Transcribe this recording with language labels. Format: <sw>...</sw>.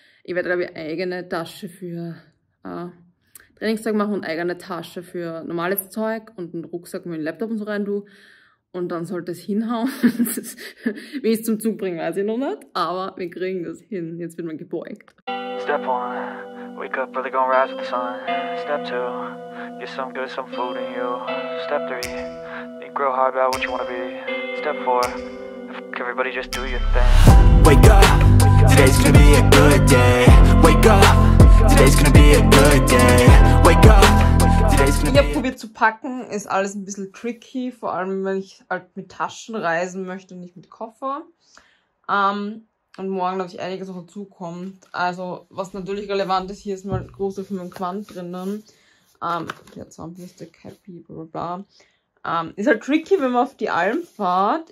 <de>Ich werde glaube ich eigene Tasche für Trainingszeug machen und eigene Tasche für normales Zeug und einen Rucksack mit dem Laptop und so rein tue. Und dann sollte es hinhauen. Wie ich es zum Zug bringe, weiß ich noch nicht. Aber wir kriegen das hin. Jetzt wird man gebeugt.</de> <en>Step 1. Wake up, really gonna rise with the sun. Step 2. Get some good, some food in you. Step 3. Think real hard about what you wanna be. Step 4. Fuck everybody, just do your thing. Wake up. Today's gonna be a good day. Wake up. Today's gonna be a good day. Wake up.</en> <de>Ich habe probiert zu packen, ist alles ein bisschen tricky, vor allem wenn ich halt mit Taschen reisen möchte und nicht mit Koffer. Und morgen glaube ich einiges noch dazukommt. Also was natürlich relevant ist, hier ist mal große von meinem Quant drinnen. Ja, Zahnbürste, Cappy, blablabla. Ist halt tricky, wenn man auf die Alm fahrt.</de>